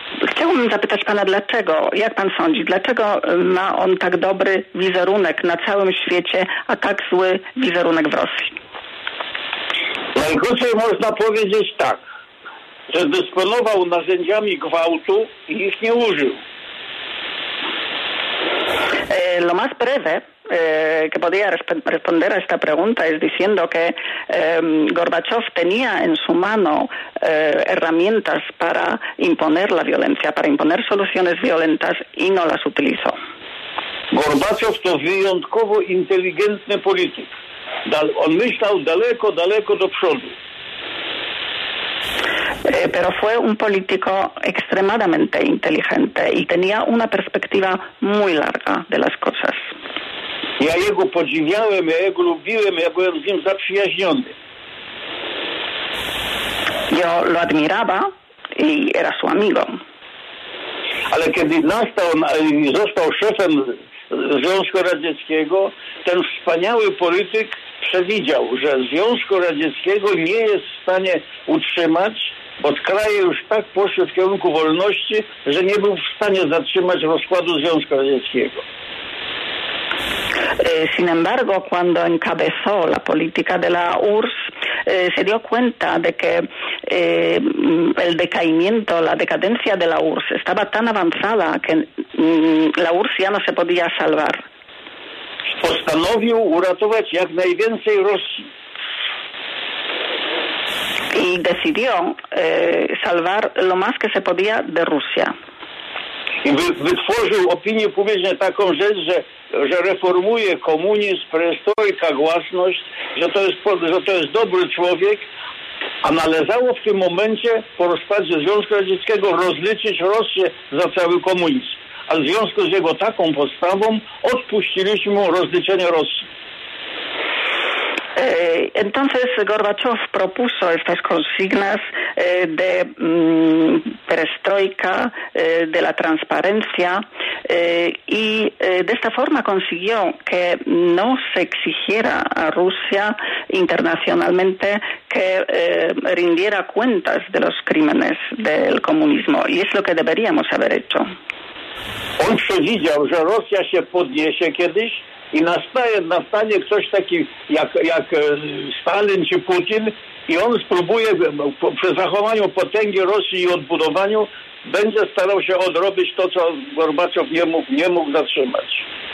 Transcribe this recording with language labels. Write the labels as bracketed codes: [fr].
[pl] Chciałbym zapytać pana, dlaczego, jak pan sądzi, dlaczego ma on tak dobry wizerunek na całym świecie, a tak zły wizerunek w Rosji? Najgorzej można powiedzieć tak, że dysponował narzędziami gwałtu i ich nie użył. [es] Lo más breve que podía responder a esta pregunta es diciendo que Gorbachev tenía en su mano herramientas para imponer la violencia, para imponer soluciones violentas y no las utilizó. [pl] Gorbachev to wyjątkowo inteligentny polityk. On myślał daleko, daleko do przodu. [es] Pero fue un político extremadamente inteligente y tenía una perspectiva muy larga de las cosas. [pl] Ja jego podziwiałem, ja jego lubiłem, ja byłem z nim zaprzyjaźniony. [es] Yo lo admiraba y era su amigo. [pl] Ale kiedy został szefem Związku Radzieckiego, ten wspaniały polityk przewidział, że Związku Radzieckiego nie jest w stanie utrzymać od kraju już tak poszły w kierunku wolności, że nie był w stanie zatrzymać rozkładu Związku Radzieckiego. [es] Sin embargo, cuando encabezó la política de la URSS, se dio cuenta de que el decaimiento, la decadencia de la URSS estaba tan avanzada que la URSS ya no se podía salvar. [pl] Postanowił uratować jak najwięcej Rosji. [es] Y decidió salvar lo más que se podía de Rusia. [pl] I wytworzył opinię publiczną taką rzecz, że reformuje komunizm, perestrojka, własność, że to jest dobry człowiek, a należało w tym momencie po rozpadzie Związku Radzieckiego rozliczyć Rosję za cały komunizm. A w związku z jego taką postawą odpuściliśmy rozliczenie Rosji. [es] Entonces Gorbachev propuso estas consignas de perestroika, de la transparencia y de esta forma consiguió que no se exigiera a Rusia internacionalmente que rindiera cuentas de los crímenes del comunismo y es lo que deberíamos haber hecho. [pl] On przewidział, że Rosja się podniesie kiedyś i nastanie ktoś taki jak Stalin czy Putin i on spróbuje przy zachowaniu potęgi Rosji i odbudowaniu będzie starał się odrobić to, co Gorbaczow nie mógł zatrzymać.